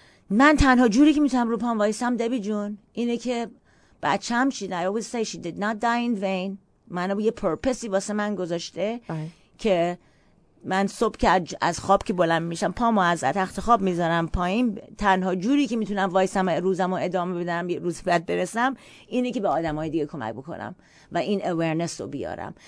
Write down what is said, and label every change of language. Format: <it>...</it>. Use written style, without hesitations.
<fa>من تنها جوری که میتونم رو پام وایسم دبی جون اینه که بچه‌م شید.</fa> <en>I always say she did not die in vain.</en> <fa>منو یه پرپسی واسه من گذاشته که من صبح که از خواب که بلند میشم پامو از تخت خواب میذارم پایین، تنها جوری که میتونم وایسم روزمو ادامه بدم، یه روز بعد برسم، اینه که به آدمای دیگه کمک بکنم و این awareness رو بیارم.</fa>